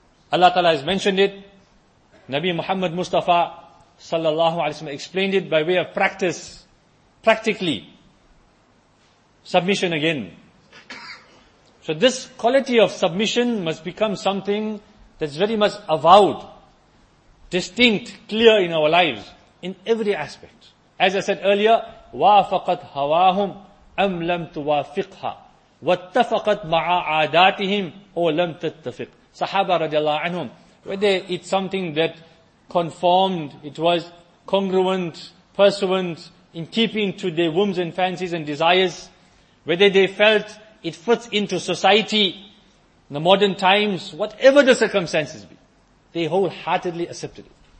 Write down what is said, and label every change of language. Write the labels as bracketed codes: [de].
[en] Allah Ta'ala has mentioned it. Nabi Muhammad Mustafa Sallallahu Alaihi Wasallam explained it by way of practice, practically. Submission again. So this quality of submission must become something that's very much avowed, distinct, clear in our lives, in every aspect. [ar] As I said earlier, وَافَقَتْ هَوَاهُمْ أَمْ لَمْ تُوَافِقْهَا وَاتَّفَقَتْ مَعَ عَادَاتِهِمْ أَوْ لَمْ تَتَّفِقْ. [en] Sahaba radiallahu anhum, whether it's something that conformed, it was congruent, pursuant, in keeping to their whims and fancies and desires, whether they felt it fits into society, in the modern times, whatever the circumstances be, they wholeheartedly accepted it.